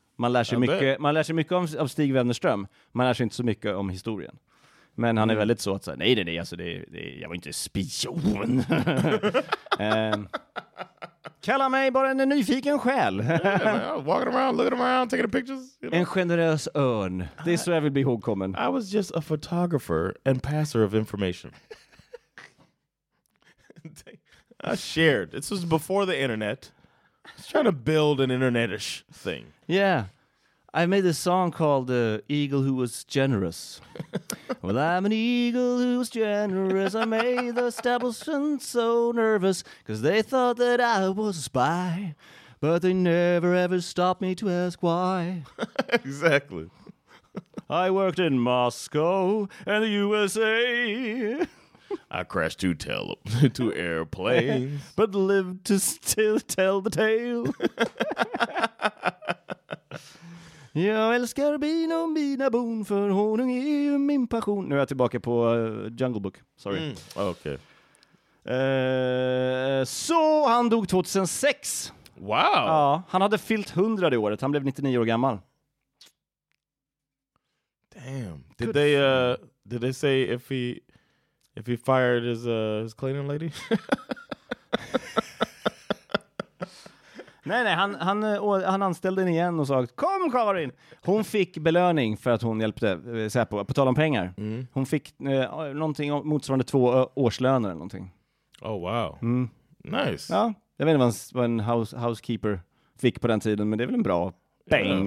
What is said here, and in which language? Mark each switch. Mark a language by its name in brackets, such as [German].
[Swedish] Man lär sig mycket om Stig Wennerström. Man lär sig inte så mycket om historien. Men han är väldigt så att säga, nej, alltså det, jag var inte spion. Kalla mig bara en nyfiken själ. [English] Yeah, man, I was walking around, looking around, taking the pictures. [Swedish] You [English] know. [Swedish] En generös örn. Det är så jag vill bli ihågkommen. [English] I was just a photographer and passer of information. I shared. This was before the internet. I was trying to build an internet-ish thing. Yeah. I made this song called "The Eagle Who Was Generous." Well, I'm an eagle who was generous. I made the establishment so nervous because they thought that I was a spy, but they never ever stopped me to ask why. Exactly. I worked in Moscow and the USA. I crashed two airplanes. But lived to still tell the tale. [Swedish] Jag älskar bin och mina bon, för honung är ju min passion. Nu är jag tillbaka på Jungle Book. [English] Sorry. Mm. Okay. [Swedish] Så han dog 2006. [English] Wow. [Swedish] Ja, han hade fyllt 100 det året. Han blev 99 år gammal. [English] Damn. Did they say if he fired his cleaning lady? [Swedish] Nej, han anställde henne igen och sa: "Kom Karin." Hon fick belöning för att hon hjälpte Säpo på tal om pengar. Mm. Hon fick någonting motsvarande 2 årslöner eller någonting. [English] Oh wow. Mm. Nice. [Swedish] Ja, jag vet inte vad en housekeeper fick på den tiden, men det är väl en bra peng.